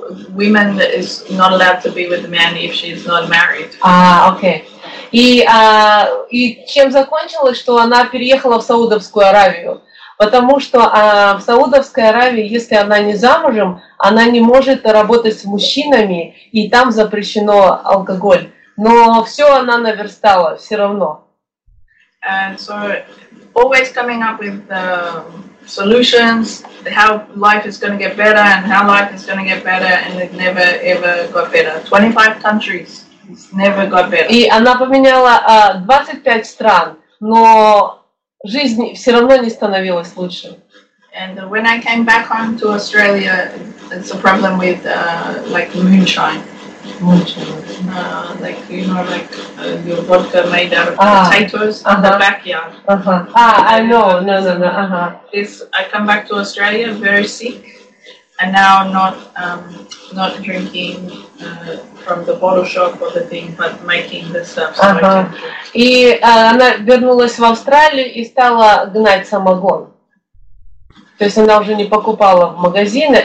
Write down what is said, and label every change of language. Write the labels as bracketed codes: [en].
[en] Women is not allowed to be with a man if she's not married. Ah, okay. [ru] И чем закончилось, что она переехала в Саудовскую Аравию? Потому что в Саудовской Аравии, если она не замужем, она не может работать с мужчинами, и там запрещено алкоголь. Но все она наверстала все равно. [en] So, always coming up with solutions, how life is going to get better, and how life is going to get better, and it never ever got better. 25 countries. It's never got better. [ru] И она поменяла 25 стран, но жизнь все равно не становилась лучше. [en] And when I came back home to Australia, it's a problem with like moonshine. Your vodka made out of potatoes in the backyard. I know. No. I come back to Australia very sick, and now I'm not drinking from the bottle shop or the thing, but making the stuff. [ru] И она вернулась в Австралию и стала гнать самогон. То есть она уже не покупала в магазине.